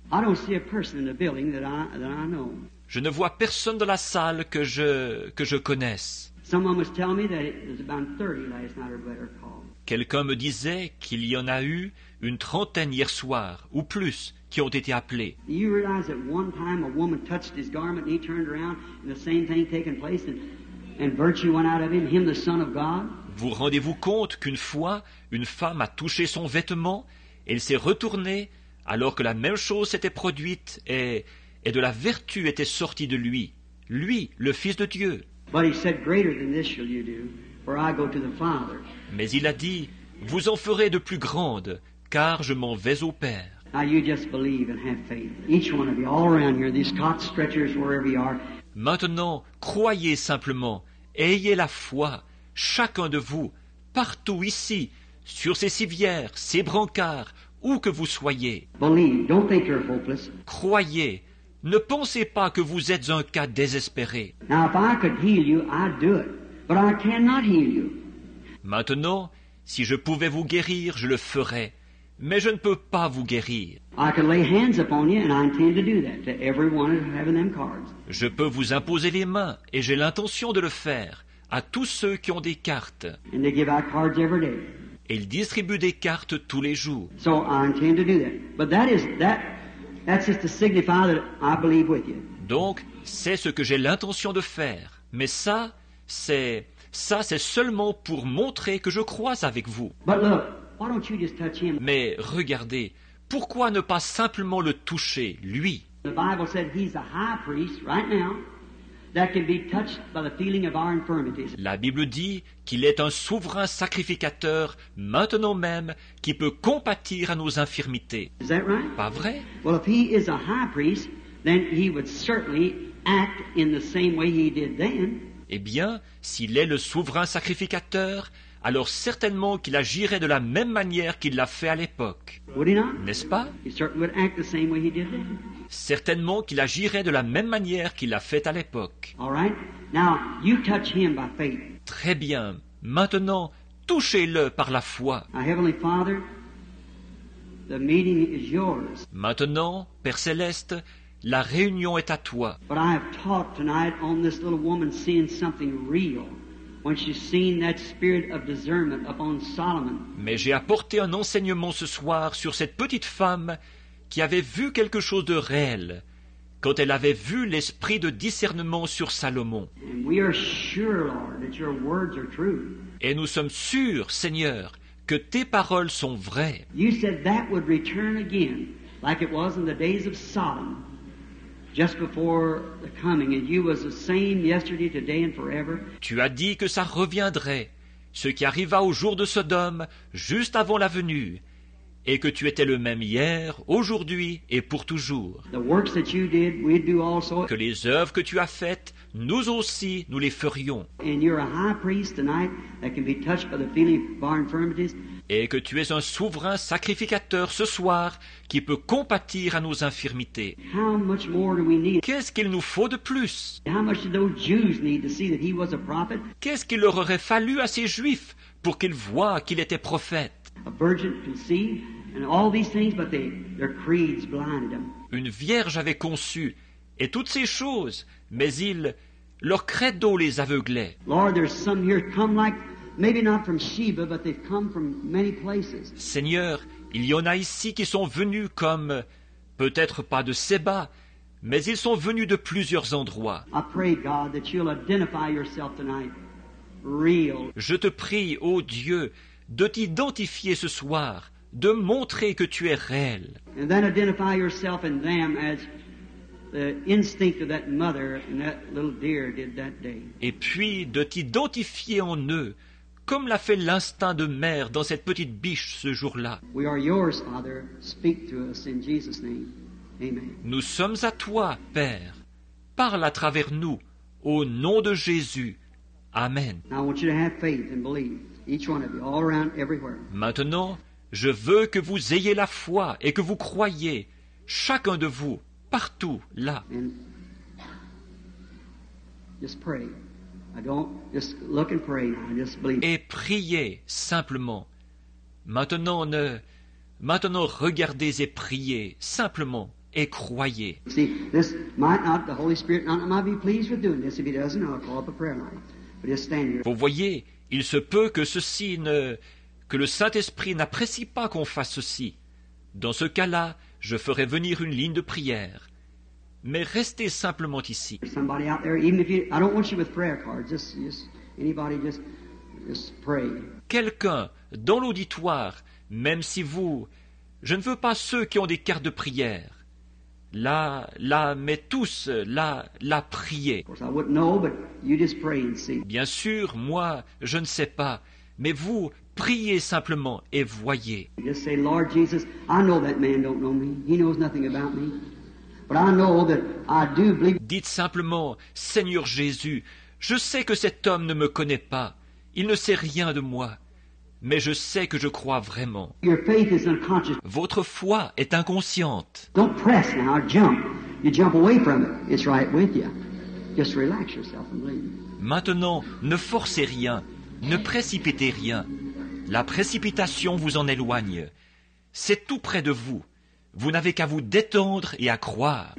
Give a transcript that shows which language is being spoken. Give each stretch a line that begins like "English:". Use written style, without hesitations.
English: I don't see a person in the building that I know.
French: Je ne vois personne dans la salle que je connaisse.
English: Someone was telling me that it was about 30 last night or better call.
French: Quelqu'un me disait qu'il y en a eu une trentaine hier soir ou plus qui ont été appelés.
English: Do you realize that one time a woman touched his garment and he turned around and the same thing taking place and virtue went out of him, the Son of God?
French: Vous rendez-vous compte qu'une fois une femme a touché son vêtement et il s'est retourné alors que la même chose s'était produite et de la vertu était sortie de lui, lui, le Fils de Dieu.
English: But he said, greater than this shall you do, for I go to the Father.
French: Mais il a dit, vous en ferez de plus grandes, car je m'en vais au Père.
English: Now you just believe and have faith. Each one of you, all around here, these cot stretchers, wherever you are.
French: Maintenant, croyez simplement, ayez la foi, chacun de vous, partout ici, sur ces civières, ces brancards, où que vous soyez.
English: Believe, don't think you're hopeless.
French: Croyez. Ne pensez pas que vous êtes un cas désespéré.
English: Now, if I could heal you, I'd do it. But I cannot heal you.
French: Maintenant, si je pouvais vous guérir, je le ferais. Mais je ne peux pas vous guérir.
English: I could lay hands upon you, and I intend to do that to everyone having them cards.
French: Je peux vous imposer les mains, et j'ai l'intention de le faire, à tous ceux qui ont des cartes.
English: And they give out cards every day.
French: Et ils distribuent des cartes tous les jours.
English: So I intend to do that. But that is that. That's just to signify that I believe with you.
French: Donc, c'est ce que j'ai l'intention de faire. Mais ça, c'est seulement pour montrer que je crois avec vous.
English: But look, why don't you just touch him?
French: Mais regardez, pourquoi ne pas simplement le toucher, lui?
English: The Bible said he's a high priest right now that can be touched by the feeling of our infirmities.
French: La Bible dit qu'il est un souverain sacrificateur maintenant même qui peut compatir à nos infirmités.
English: Is that right?
French: Pas vrai?
English: Well, if he is a high priest, then he would certainly act in the same way he did then.
French: Eh bien, s'il est le souverain sacrificateur, alors certainement qu'il agirait de la même manière qu'il l'a fait à l'époque.
English: Would he not?
French: N'est-ce pas?
English: He certainly would act the same way he did then.
French: Certainement qu'il agirait de la même manière qu'il l'a fait à l'époque.
English: All right. Now, you touch him by faith.
French: Très bien. Maintenant, touchez-le par la foi.
English: Now, Heavenly Father, the meeting is yours.
French: Maintenant, Père Céleste, la réunion est à toi.
English: But I have talked tonight on this little woman seeing something real. When she's seen that spirit of discernment upon Solomon.
French: Mais j'ai apporté un enseignement ce soir sur cette petite femme qui avait vu quelque chose de réel quand elle avait vu l'esprit de discernement sur Salomon.
English: And we are sure, Lord, that your words are true.
French: Et nous sommes sûrs, Seigneur, que tes paroles sont vraies.
English: You said that would return again, like it was in the days of Sodom, just before the coming, and you was the same yesterday, today, and forever.
French: Tu as dit que ça reviendrait, ce qui arriva au jour de Sodome, juste avant la venue, et que tu étais le même hier, aujourd'hui et pour toujours.
English: The works that you did, we do also.
French: Que les œuvres que tu as faites, nous aussi, nous les ferions.
English: And you're a high priest tonight that can be touched by the feeling of our infirmities.
French: Et que tu es un souverain sacrificateur ce soir qui peut compatir à nos infirmités.
English: How much more do we need?
French: Qu'est-ce qu'il nous faut de plus?
English: How much did those Jews need to see that he was a prophet?
French: Qu'est-ce qu'il leur aurait fallu à ces Juifs pour qu'ils voient qu'il était prophète?
English: A virgin conceived and all these things, but their creeds blinded them.
French: Une vierge avait conçu et toutes ces choses, mais ils, leur credo les aveuglait.
English: Lord, there's some here come like. Maybe not from Sheba, but they've come from many places.
French: Seigneur, il y en a ici qui sont venus comme, peut-être pas de Séba, mais ils sont venus de plusieurs endroits.
English: I pray, God, that you'll identify yourself tonight. Real.
French: Je te prie, ô Dieu, de t'identifier ce soir, de montrer que tu es réel.
English: And then identify yourself in them as the instinct of that mother and that little deer did that day.
French: Et puis de t'identifier en eux, comme l'a fait l'instinct de mère dans cette petite biche ce jour-là.
English: We are yours, Father. Speak to us in Jesus' name. Amen.
French: Nous sommes à toi, Père. Parle à travers nous, au nom de Jésus. Amen.
English: I want you to have faith and believe, each one of you, all around, everywhere.
French: Maintenant, je veux que vous ayez la foi et que vous croyiez, chacun de vous, partout, là.
English: And just pray. I don't just look and pray. I just believe.
French: Et priez simplement. Maintenant regardez et priez simplement et croyez.
English: See, this might not the Holy Spirit might be pleased with doing this. If he doesn't, I'll call up a prayer line. But just stand here.
French: Vous voyez, il se peut que ceci ne que le Saint-Esprit n'apprécie pas qu'on fasse ceci. Dans ce cas-là, je ferai venir une ligne de prière. Mais restez simplement ici.
English: Somebody out there, even if you, I don't want you with prayer cards. Just anybody, just pray.
French: Quelqu'un dans l'auditoire, même si vous, je ne veux pas ceux qui ont des cartes de prière. Là, mais tous, là, priez.
English: Of course, I wouldn't know, but you just pray and see.
French: Bien sûr, moi, je ne sais pas, mais vous, priez simplement et voyez.
English: Just say, Lord Jesus, I know that man don't know me. He knows nothing about me. But I know that I do believe.
French: Dites simplement, Seigneur Jésus, je sais que cet homme ne me connaît pas. Il ne sait rien de moi. Mais je sais que je crois vraiment.
English: Your faith is unconscious.
French: Votre foi est inconsciente.
English: Don't press now, jump. You jump away from it. It's right with you. Just relax yourself and believe.
French: Maintenant, ne forcez rien. Ne précipitez rien. La précipitation vous en éloigne. C'est tout près de vous. Vous n'avez qu'à vous détendre et à croire.